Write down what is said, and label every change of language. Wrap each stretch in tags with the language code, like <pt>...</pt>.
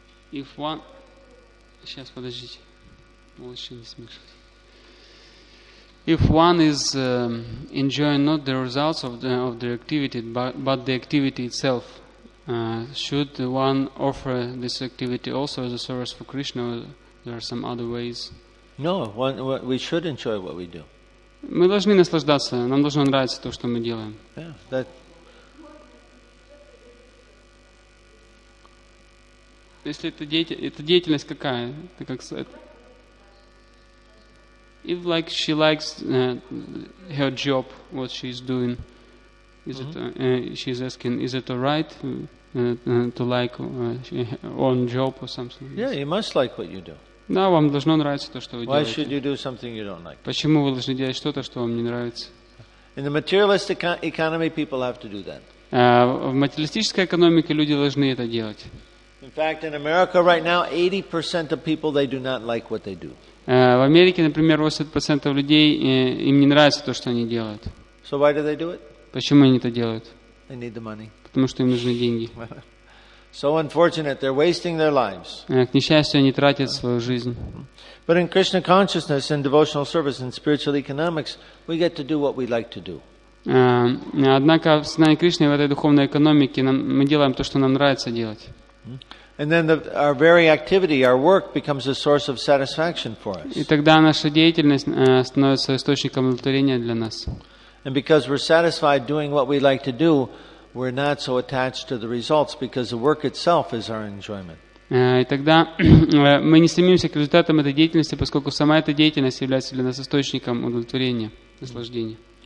<en>If one,</en> <ru>сейчас подождите, лучше не смешивать.</ru> <en>If one is enjoying not the results of the activity, but the activity itself, should one offer this activity also as a service for Krishna, or there are some other ways? No, we should enjoy what we do.</en> <ru>Мы должны наслаждаться. Нам должно нравиться то, что мы делаем.</ru> <en>Yeah, that.</en> <ru>Если это деятельность какая? Это как</ru> <en>if like she likes her job, what she's doing, is mm-hmm. it? She's asking, is it all right to like her own job or something? Yeah, you must like what you do.</en> <ru>Да, вам должно нравиться то, что вы делаете.</ru> <en>Why should you do something you don't like?</en> <ru>Почему вы должны делать что-то, что вам не нравится?</ru> <en>In the materialist economy, people have to do that.</en> <ru>В материалистической экономике люди должны это делать.</ru> <en>In fact, in America right now, 80% of people they do not like what they do.</en> <ru>В Америке, например, 80% людей им не нравится то, что они делают.</ru> <en>So why do they do it?</en> <ru>Почему они это делают?</ru> <en>They need the money.</en> <ru>Потому что им нужны деньги.</ru> <en>So unfortunate, they're wasting their lives.</en> <ru>К несчастью, они тратят свою жизнь.</ru> <en>But in Krishna consciousness, in devotional service, in spiritual economics, we get to do what we like to do.</en> <ru>Однако в сознании Кришны, в этой духовной экономике, мы делаем то, что нам нравится делать.</ru> <en>And then our very activity, our work becomes a source of satisfaction for us.</en> <ru>И тогда наша деятельность становится источником удовлетворения для нас.</ru> <en>And because we're satisfied doing what we like to do, we're not so attached to the results because the work itself is our enjoyment.</en> <ru>И тогда мы не стремимся к результатам этой деятельности, поскольку сама эта деятельность является для нас источником удовлетворения, наслаждения.</ru>